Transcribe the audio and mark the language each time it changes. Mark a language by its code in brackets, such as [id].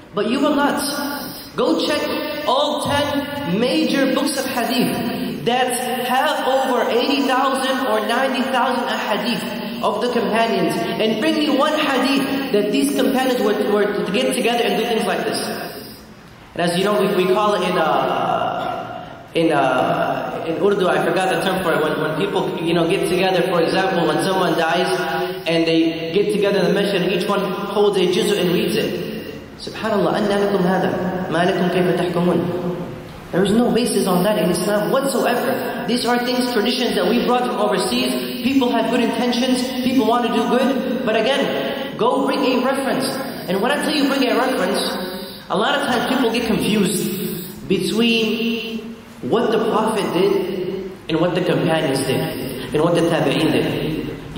[en] But you will not. Go check all 10 major books of hadith that have over 80,000 or 90,000 hadith of the companions, and bring me one hadith that these companions were to get together and do things like this. And as you know, we call it in Urdu, I forgot the term for it, when people, you know, get together, for example, when someone dies and they get together in the masjid, each one holds a juzu and reads it. [ar] سبحان الله أن لكم هذا ما لكم كيف تحكمون. [en] There is no basis on that in Islam whatsoever. These are things, traditions that we brought from overseas. People have good intentions. People want to do good. But again, go bring a reference. And when I tell you bring a reference, a lot of times people get confused between what the Prophet did and what the companions did and what the Tabi'een did.